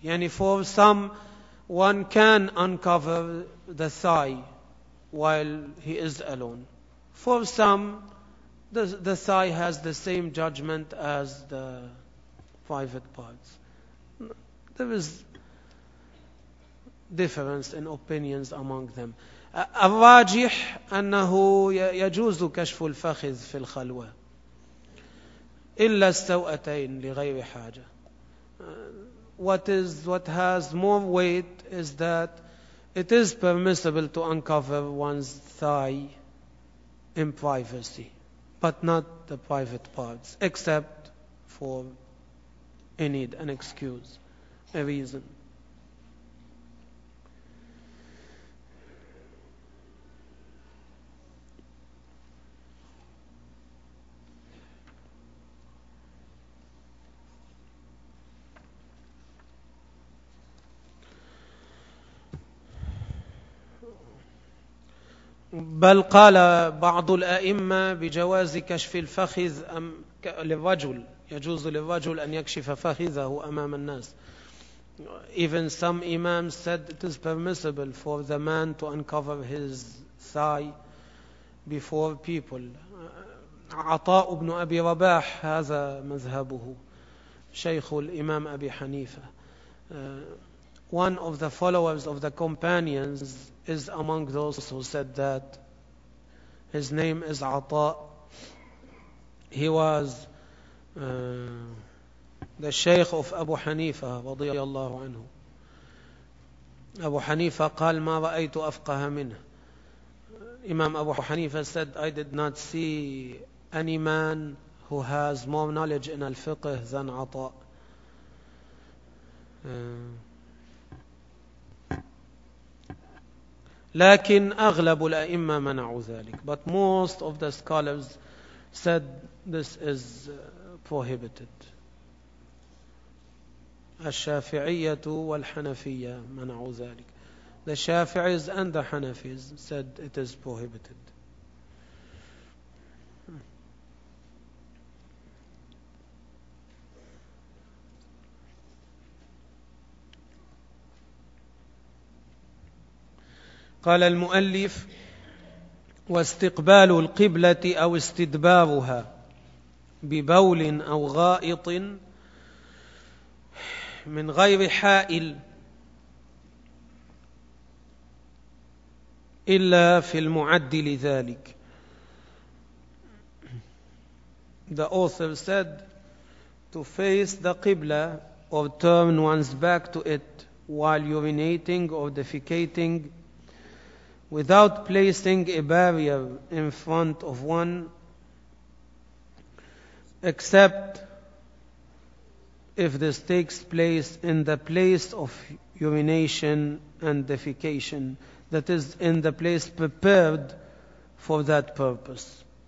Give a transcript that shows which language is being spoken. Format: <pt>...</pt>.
<en>Yani for some, one can uncover the thigh while he is alone. For some, the thigh has the same judgment as the private parts. There is difference in opinions among them.</en> <ar>الراجح أنه يجوز كشف الفخذ في الخلوة إلا استوأتين لغير حاجة.</ar> <en>What has more weight is that it is permissible to uncover one's thigh in privacy, but not the private parts, except for a need, an excuse, a reason.</en> <ar>بل قال بعض الأئمة بجواز كشف الفخذ للرجل، يجوز للرجل أن يكشف فخذه أمام الناس.</ar> <en>Even some imams said it is permissible for the man to uncover his thigh before people.</en> <ar>عطاء بن أبي رباح هذا مذهبه، شيخ الإمام أبي حنيفة.</ar> <en>One of the followers of the companions is among those who said that. His name is Ata. He was the Shaykh of Abu Hanifa, radiyallahu anhu.</en> <ar>Abu Hanifa قال ما رأيت أفقه منه.</ar> <en>Imam Abu Hanifa said, I did not see any man who has more knowledge in al-fiqh than Ata.</en> <ar>لكن أغلب الأئمة منعوا ذلك.</ar> <en>But most of the scholars said this is prohibited.</en> <ar>الشافعية والحنفية منعوا ذلك.</ar> <en>The Shafi'is and the Hanafis said it is prohibited.</en> <ar>قال المؤلف واستقبال القبلة أو استدبارها ببول أو غائط من غير حائل إلا في المعد لذلك.</ar> <en>The author said to face the Qibla or turn one's back to it while urinating or defecating without placing a barrier in front of one, except if this takes place in the place of urination and defecation, that is, in the place prepared for that purpose.</en>